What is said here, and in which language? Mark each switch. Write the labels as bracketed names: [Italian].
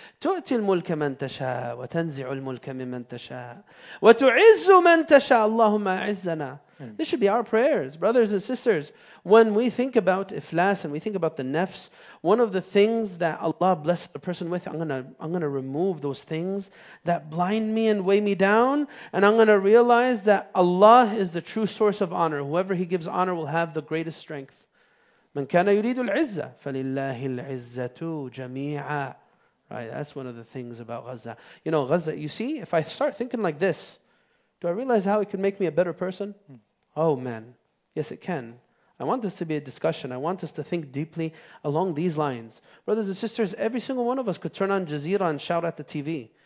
[Arabic] تؤتي الملك من تشاء وتنزع الملك ممن تشاء وتعز من تشاء اللهم عزنا. [English] This should be our prayers, brothers and sisters. When we think about iflas and we think about the nafs, one of the things that Allah blessed a person with, I'm gonna remove those things that blind me and weigh me down, and I'm gonna realize that Allah is the true source of honor. Whoever He gives honor will have the greatest strength. [Arabic] من كان يريد العزة فلله العزة جميعا. [English] Right, that's one of the things about Gaza. You know, Gaza, you see, if I start thinking like this, do I realize how it can make me a better person? Oh man, yes it can. I want this to be a discussion. I want us to think deeply along these lines. Brothers and sisters, every single one of us could turn on Jazeera and shout at the TV.